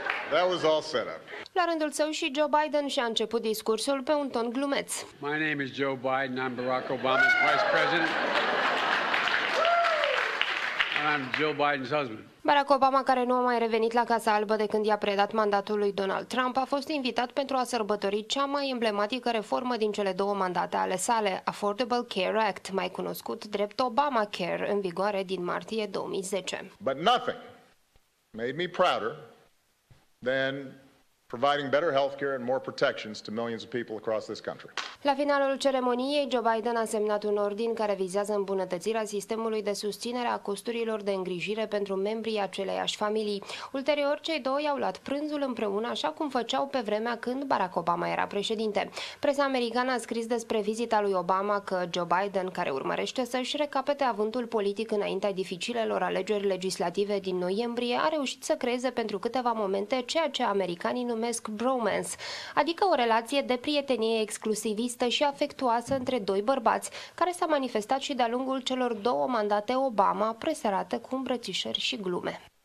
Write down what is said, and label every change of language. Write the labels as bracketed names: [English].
[English] That was all set up. [Romanian] La rândul său și Joe Biden și-a început discursul pe un ton glumeț. [English] My name is Joe Biden, I'm Barack Obama's Vice President. I'm Joe Biden's husband. [Romanian] Barack Obama, care nu a mai revenit la Casa Albă de când i-a predat mandatul lui Donald Trump, a fost invitat pentru a sărbători cea mai emblematică reformă din cele două mandate ale sale, Affordable Care Act, mai cunoscut drept Obamacare, în vigoare din martie 2010. [English] But nothing made me prouder than providing better healthcare and more protections to millions of people across this country. [Romanian] La finalul ceremoniei, Joe Biden a semnat un ordin care vizează îmbunătățirea sistemului de susținere a costurilor de îngrijire pentru membrii aceleiași familii. Ulterior, cei doi au luat prânzul împreună, așa cum făceau pe vremea când Barack Obama era președinte. Presa americană a scris despre vizita lui Obama că Joe Biden, care urmărește să-și recapete avântul politic înaintea dificilelor alegeri legislative din noiembrie, a reușit să creeze pentru câteva momente ceea ce americanii numesc bromance, adică o relație de prietenie exclusivă și afectuoasă între doi bărbați, care s-a manifestat și de-a lungul celor două mandate Obama, presărată cu îmbrățișări și glume.